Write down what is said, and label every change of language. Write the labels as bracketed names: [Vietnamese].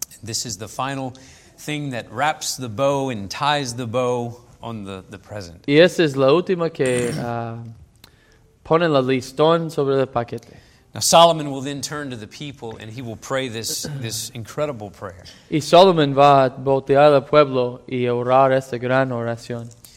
[English] This is the final thing that wraps the bow and ties the bow on the present. [Spanish] Y esa es la última que pone la listón sobre el paquete. [English] Now Solomon will then turn to the people and he will pray this incredible prayer. [Spanish] Y Solomon va a voltear al pueblo y orar esta gran oración.